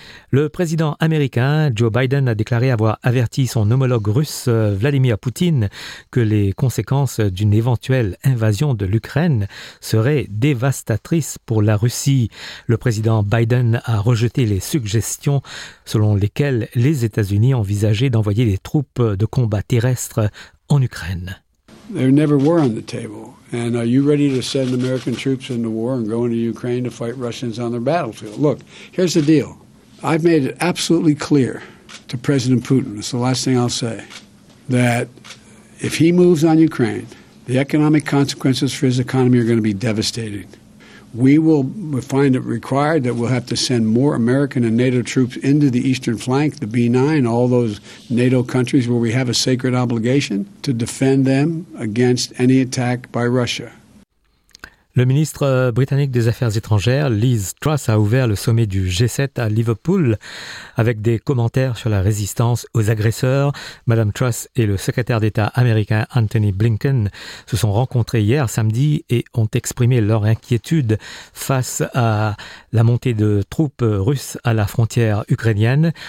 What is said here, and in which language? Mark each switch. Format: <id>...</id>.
<fr>Le président américain Joe Biden a déclaré avoir averti son homologue russe Vladimir Poutine que les conséquences d'une éventuelle invasion de l'Ukraine seraient dévastatrices pour la Russie. Le président Biden a rejeté les suggestions selon lesquelles les États-Unis envisageaient d'envoyer des troupes de combat terrestres en Ukraine.</fr> <en>They never were on the table. And are you ready to send American troops into war and go into Ukraine to fight Russians on their battlefield? Look, here's the deal. I've made it absolutely clear to President Putin, it's the last thing I'll say, that if he moves on Ukraine, the economic consequences for his economy are going to be devastating. We will find it required that we'll have to send more American and NATO troops into the eastern flank, the B9, all those NATO countries where we have a sacred obligation to defend them against any attack by Russia.</en> <fr>Le ministre britannique des Affaires étrangères, Liz Truss, a ouvert le sommet du G7 à Liverpool avec des commentaires sur la résistance aux agresseurs. Madame Truss et le secrétaire d'État américain Anthony Blinken se sont rencontrés hier samedi et ont exprimé leur inquiétude face à la montée de troupes russes à la frontière ukrainienne.</fr>